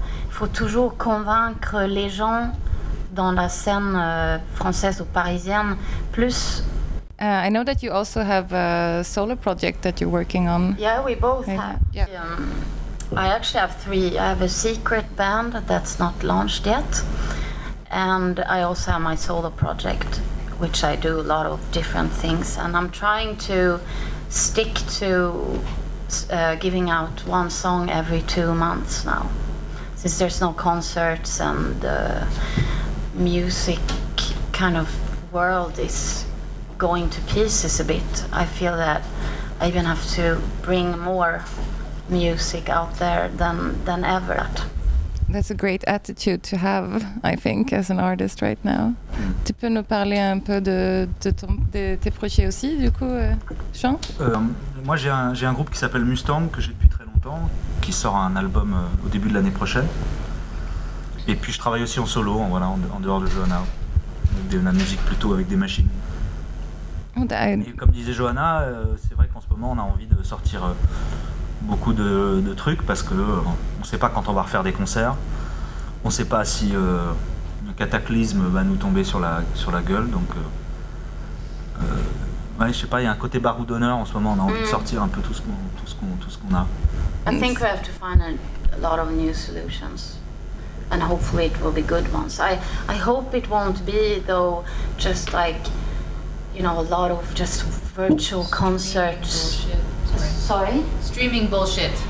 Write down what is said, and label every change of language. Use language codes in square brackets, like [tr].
[fr] faut toujours convaincre les gens dans la scène française ou parisienne plus. [en] I know that you also have a solo project that you're working on. Yeah, we both have. Yeah. I actually have three. I have a secret band that's not launched yet. And I also have my solo project, which I do a lot of different things. And I'm trying to stick to giving out one song every 2 months now. Since there's no concerts and the music kind of world is going to pieces a bit, I feel that I even have to bring more music out there than ever. That's a great attitude to have, I think, as an artist right now. [fr] Tu peux nous parler un peu de tes projets aussi, du coup, Jean? Moi, j'ai un groupe qui s'appelle Mustang, que j'ai depuis très longtemps. Qui sort un album au début de l'année prochaine. Et puis je travaille aussi en solo, voilà, en dehors de Johanna. De la musique plutôt avec des machines. Et comme disait Johanna, c'est vrai qu'en ce moment on a envie de sortir beaucoup de trucs parce que on sait pas quand on va refaire des concerts. On sait pas si le cataclysme va nous tomber sur la gueule. Donc ouais, je sais pas, il y a un côté baroudonneur en ce moment, on a envie de sortir un peu tout ce qu'on a. [en] I think we have to find a lot of new solutions, and hopefully it will be good ones. I hope it won't be, though, just like, you know, a lot of just virtual concerts. Streaming bullshit.